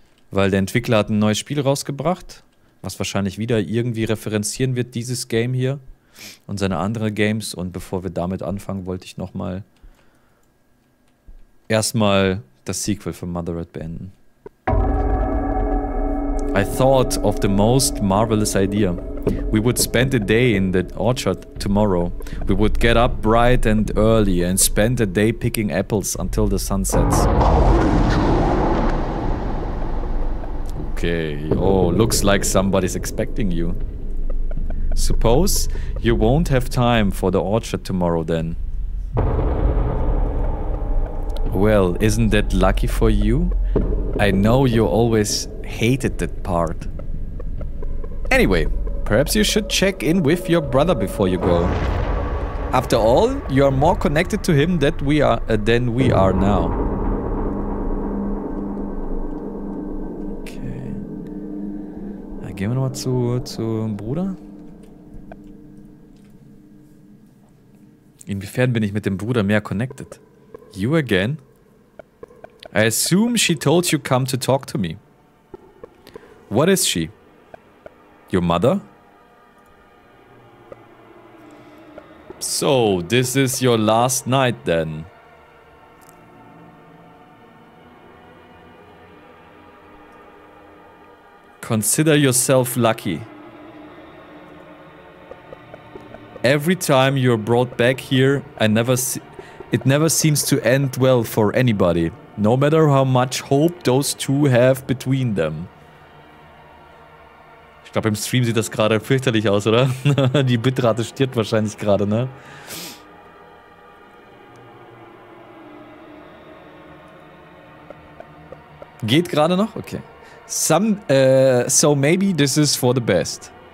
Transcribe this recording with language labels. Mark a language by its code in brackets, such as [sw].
[de] Weil der Entwickler hat ein neues Spiel rausgebracht, was wahrscheinlich wieder irgendwie referenzieren wird, dieses Game hier. und seine anderen Games. Und bevor wir damit anfangen, wollte ich nochmal erstmal das Sequel von Mother Red beenden. [en] I thought of the most marvelous idea. We would spend a day in the orchard tomorrow. We would get up bright and early and spend a day picking apples until the sun sets. Okay, oh, looks like somebody's expecting you. Suppose you won't have time for the orchard tomorrow then. Well, isn't that lucky for you? I know you always hated that part. Anyway, perhaps you should check in with your brother before you go. After all, you are more connected to him than we are now. [de] Okay. Gehen wir nochmal zu Bruder. Inwiefern bin ich mit dem Bruder mehr connected? [en] You again? I assume she told you come to talk to me. What is she? Your mother? So, this is your last night then. Consider yourself lucky. Every time you're brought back here, it never seems to end well for anybody. No matter how much hope those two have between them. [de] Ich glaube, im Stream sieht das gerade fürchterlich aus, oder? Die Bitrate stirbt wahrscheinlich gerade, ne? Geht gerade noch? [en] Okay. So maybe this is for the best.